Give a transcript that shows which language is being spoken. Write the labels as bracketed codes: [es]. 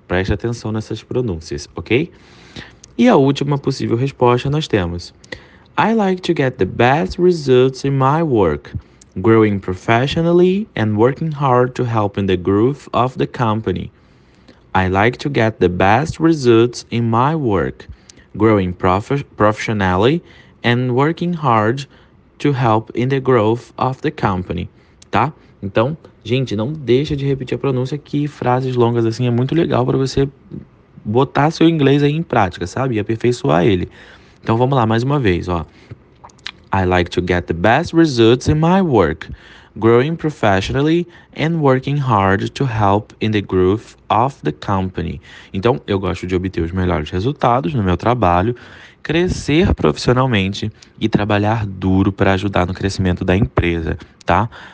[pt] Preste atenção nessas pronúncias, ok? E a última possível resposta nós temos. [en] I like to get the best results in my work, growing professionally and working hard to help in the growth of the company. I like to get the best results in my work, growing professionally and working hard to help in the growth of the company, tá? [pt] Então, gente, não deixa de repetir a pronúncia, que frases longas assim é muito legal para você botar seu inglês aí em prática, sabe? E aperfeiçoar ele. Então, vamos lá mais uma vez, ó. [en] I like to get the best results in my work, growing professionally and working hard to help in the growth of the company. [pt] Então, eu gosto de obter os melhores resultados no meu trabalho, crescer profissionalmente e trabalhar duro para ajudar no crescimento da empresa, tá?